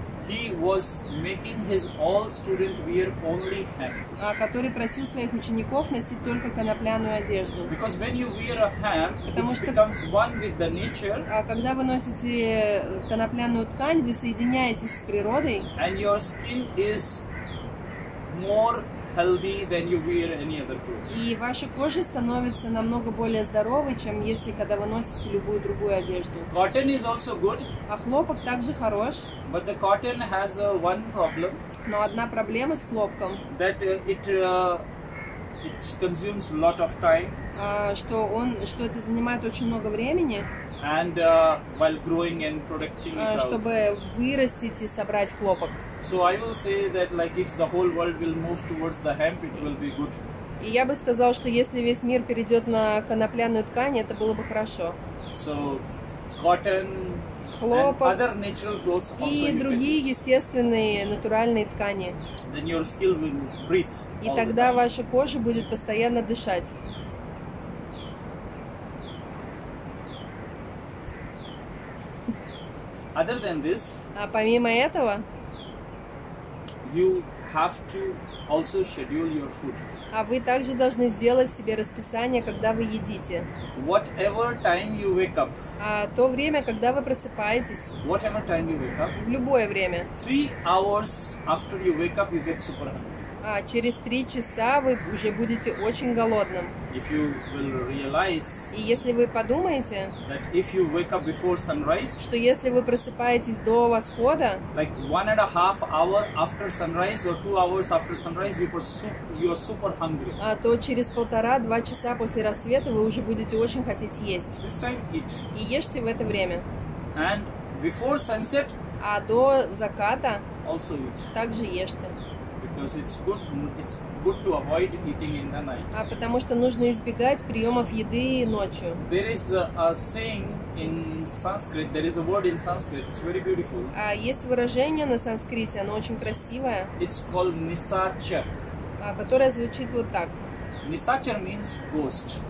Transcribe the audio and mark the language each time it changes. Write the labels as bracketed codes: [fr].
[en] He was making his all student wear only hemp. [ru] Который просил своих учеников носить только конопляную одежду. [en] Because when you wear a hemp, [ru] потому [en] it [ru] что, [en] becomes one with the nature. [ru] Когда вы носите конопляную ткань, вы соединяетесь с природой. [en] And your skin is more healthy than you wear any other clothes. [ru] И ваша кожа становится намного более здоровой, чем если когда вы носите любую другую одежду. [en] Cotton is also good. [ru] Хлопок также хорош. [en] But the cotton has one problem. [ru] Но одна проблема с хлопком. [en] That it it consumes a lot of time. [ru] Что это занимает очень много времени. [en] And while growing and producing it. [ru] Чтобы вырастить и собрать хлопок. [en] So I will say that like if the whole world will move towards the hemp, it will be good. [ru] И я бы сказал, что если весь мир перейдет на конопляную ткань, это было бы хорошо. [en] So cotton. [ru] Хлопок [en] and other natural growths also [ru] и другие естественные натуральные ткани. [en] Then your skin will breathe. [ru] И тогда ваша кожа будет постоянно дышать. [en] Other than this. [ru] А помимо этого. [en] You have to also schedule your food. [ru] А вы также должны сделать себе расписание, когда вы едите. [en] Whatever time you wake up. [ru] А то время, когда вы просыпаетесь. [en] Whatever time you wake up. [ru] В любое время. [en] 3 hours after you wake up, you get super hungry. [ru] А через 3 часа вы уже будете очень голодным. [en] If you will realize. [ru] И если вы подумаете. [en] That if you wake up before sunrise. [ru] Что если вы просыпаетесь до восхода. [en] Like 1.5 hours after sunrise or 2 hours after sunrise, you are super hungry. [ru] А то через 1.5-2 часа после рассвета вы уже будете очень хотеть есть. [en] This time eat. [ru] И ешьте в это время. [en] And before sunset. [ru] А до заката. [en] Also eat. [ru] Также ешьте. [en] Because it's good to avoid eating in the night. [ru] А потому что нужно избегать приемов еды ночью. [en] There is a saying in Sanskrit. There is a word in Sanskrit. It's very beautiful. [ru] А есть выражение на санскрите, оно очень красивое. [en] It's called Nisachar. [ru] А которое звучит вот так. [en] Nisachar means ghost.